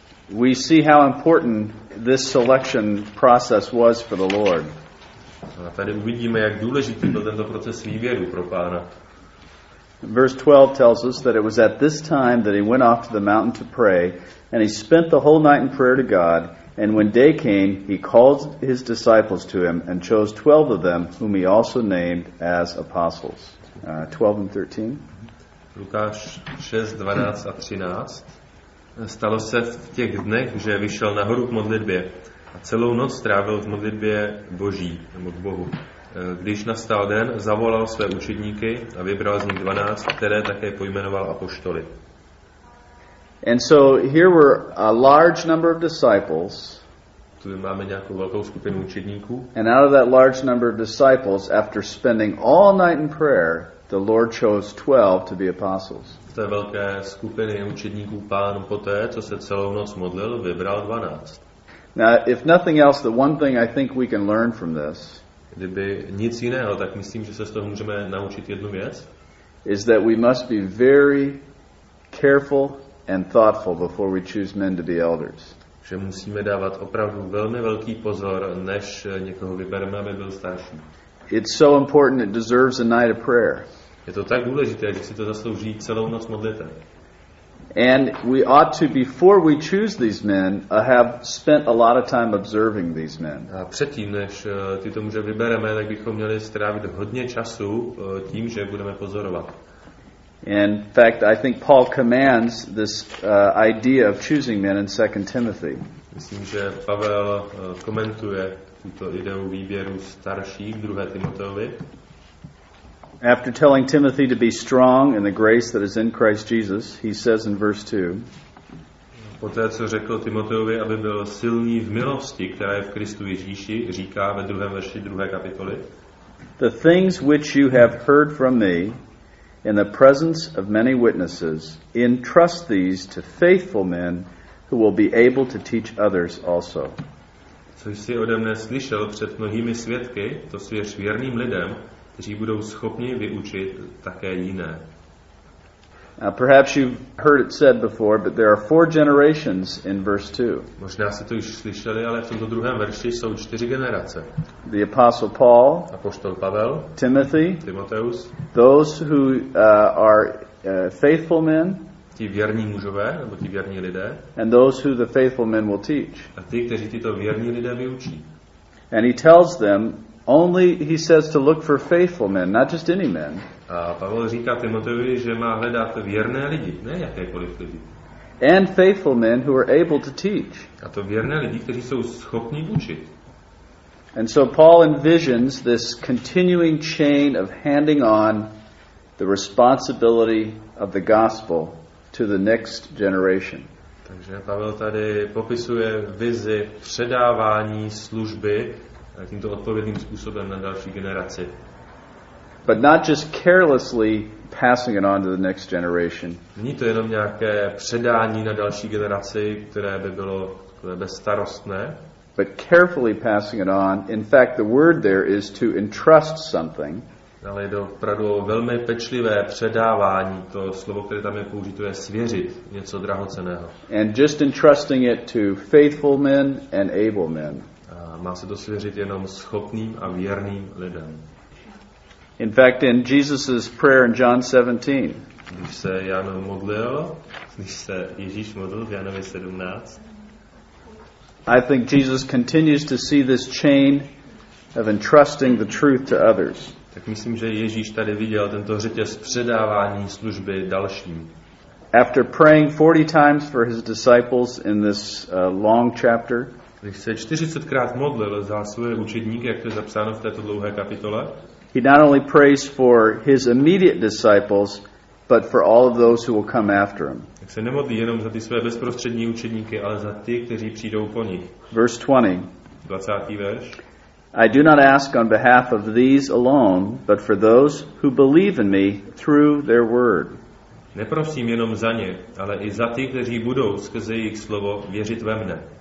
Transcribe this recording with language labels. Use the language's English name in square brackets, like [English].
[English] we see how important this selection process was for the Lord. [Czech] A tady uvidíme, jak důležitý byl tento proces výběru pro Pána. [English] Verse 12 tells us that it was at this time that he went off to the mountain to pray, and he spent the whole night in prayer to God, and when day came, he called his disciples to him and chose 12 of them, whom he also named as apostles. 12 and 13. [Czech] Lukáš 6, 12 a 13. Stalo se v těch dnech, že vyšel nahoru k modlitbě a celou noc strávil v modlitbě Boží, nebo k Bohu. Když nastal den, zavolal své učedníky a vybral z nich 12, které také pojmenoval apoštoly. [English] And so here were a large number of disciples. [Czech] Tu máme nějakou velkou skupinu učedníků. [English] And out of that large number of disciples, after spending all night in prayer, the Lord chose 12 to be apostles. [Czech] Z té velké skupiny učedníků Pán poté, co se celou noc modlil, vybral 12. [English] Now, if nothing else, the one thing I think we can learn from this. [Czech] Kdyby nic jiného, tak myslím, že se z toho můžeme naučit jednu věc. [English] Is that we must be very careful and thoughtful before we choose men to be elders. [Czech] Že musíme dávat opravdu velmi velký pozor, než někoho vybereme, aby byl starší. [English] It's so important, it deserves a night of prayer. [Czech] Je to tak důležité, že si to zaslouží celou noc modlitby. [English] And we ought to, before we choose these men, have spent a lot of time observing these men. [Czech] A předtím, než tyto muže vybereme, tak bychom měli strávit hodně času tím, že budeme pozorovat. [English] And in fact, I think Paul commands this idea of choosing men in 2 Timothy. [Czech] Myslím, že Pavel komentuje tuto ideu výběru starších v 2. Timoteovi. [English] After telling Timothy to be strong in the grace that is in Christ Jesus, he says in verse 2. [Czech] Poté, co řekl Timoteovi, aby byl silný v milosti, která je v Kristu Ježíši, říká ve 2. verši 2. kapitoly. [English] The things which you have heard from me in the presence of many witnesses, entrust these to faithful men who will be able to teach others also. [Czech] Co jsi ode mne slyšel před mnohými svědky, to svěř věrným lidem, kteří budou schopni vyučit také jiné. [English] Now, perhaps you've heard it said before, but there are four generations in verse 2. [Czech] Možná jste to už slyšeli, ale v tomto druhém verši jsou čtyři generace. [English] The apostle Paul, [Czech] apoštol Pavel, [English] Timothy, [Czech] Timoteus, [English] those who are faithful men, [Czech] ti věrní mužové, nebo ti věrní lidé, [English] and those who the faithful men will teach. [Czech] A ty, kteří tyto věrní lidé vyučí. [English] And he tells them, only he says to look for faithful men, not just any men. [Czech] A Pavel říká Timoteovi, že má hledat věrné lidi, ne jakékoliv lidi. [English] And faithful men who are able to teach. [Czech] A to věrné lidi, kteří jsou schopni učit. [English] And so Paul envisions this continuing chain of handing on the responsibility of the gospel to the next generation. [Czech] Takže Pavel tady popisuje vizi předávání služby tímto odpovědným způsobem na další generaci. [English] But not just carelessly passing it on to the next generation. [Czech] Není to jenom nějaké předání na další generaci, které by bylo bezstarostné. [English] But carefully passing it on. In fact, the word there is to entrust something. [Czech] Ale je to opravdu velmi pečlivé předávání. To slovo, které tam je použito, je svěřit něco drahocenného. [English] And just entrusting it to faithful men and able men. [Czech] A má se to svěřit jenom schopným a věrným lidem. [English] In fact, in Jesus' prayer in John 17, [Czech] když se Jan modlil, když se Ježíš modlil v Janovi 17, [English] I think Jesus continues to see this chain of entrusting the truth to others. [Czech] Tak myslím, že Ježíš tady viděl tento řetěz předávání služby dalším. [English] After praying 40 times for his disciples in this long chapter, [Czech] když se 40krát modlil za svoje učedníky, jak to je zapsáno v této dlouhé kapitole, [English] he not only prays for his immediate disciples, but for all of those who will come after him. [Czech] Tak se nemodlí jenom za ty své bezprostřední učedníky, ale za ty, kteří přijdou po nich. [English] Verse 20. [Czech] 20. verš. [English] I do not ask on behalf of these alone, but for those who believe in me through their word. [Czech] Neprosím jenom za ně, ale i za ty, kteří budou skrze jejich slovo věřit ve mne.